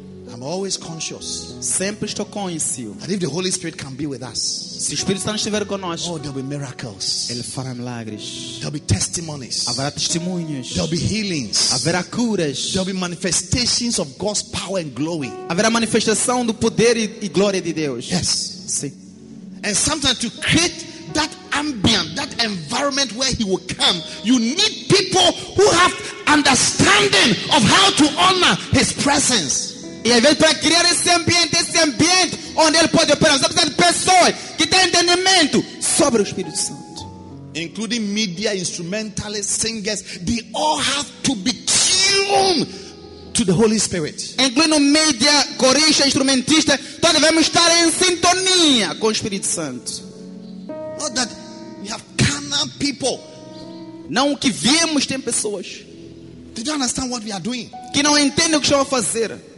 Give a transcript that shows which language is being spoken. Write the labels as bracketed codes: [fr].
[en] I'm always conscious. [pt] Sempre estou consciente. [en] And if the Holy Spirit can be with us, [pt] se o Espírito Santo estiver conosco, [en] oh, there'll be miracles. [pt] Ele fará milagres. [en] There'll be testimonies. [pt] Haverá testemunhos. [en] There'll be healings. [pt] Haverá curas. [en] There'll be manifestations of God's power and glory. [pt] Haverá manifestação do poder e glória de Deus. [en] Yes. [pt] Sim. [en] And sometimes to create that ambient, that environment where he will come, you need people who have understanding of how to honor his presence. [pt] E aí, para criar esse ambiente onde ele pode operar, você precisa de pessoas que têm entendimento sobre o Espírito Santo. [en] Including media, instrumentalists, singers, they all have to be tuned to the Holy Spirit. [pt] Incluindo mídia, corista, instrumentista, todos devemos estar em sintonia com o Espírito Santo. [en] Not that we have carnal people. [pt] Não que viemos tem pessoas. [en] Do you understand what we are doing? [pt] Que não entendem o que estão a fazer.